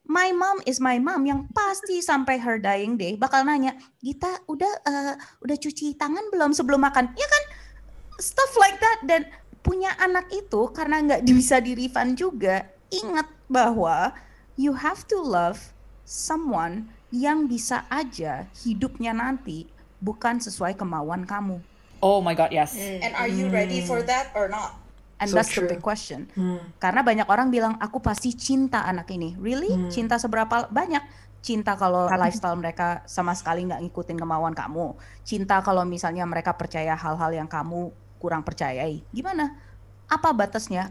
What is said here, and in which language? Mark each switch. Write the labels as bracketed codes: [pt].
[en] My mom is my mom [id] yang pasti sampai [en] her dying day [id] bakal nanya, Gita udah cuci tangan belum sebelum makan? Ya kan? [en] Stuff like that. [id] Dan punya anak itu karena gak bisa di-refund juga, ingat bahwa [en] you have to love someone [id] yang bisa aja hidupnya nanti bukan sesuai kemauan kamu. [en] Oh my God, yes. And are you ready for that or not? And so that's true. The big question. [id] Karena banyak orang bilang, aku pasti cinta anak ini. Really? Cinta seberapa banyak? Cinta kalau lifestyle mereka sama sekali gak ngikutin kemauan kamu. Cinta kalau misalnya mereka percaya hal-hal yang kamu kurang percayai. Gimana? Apa batasnya?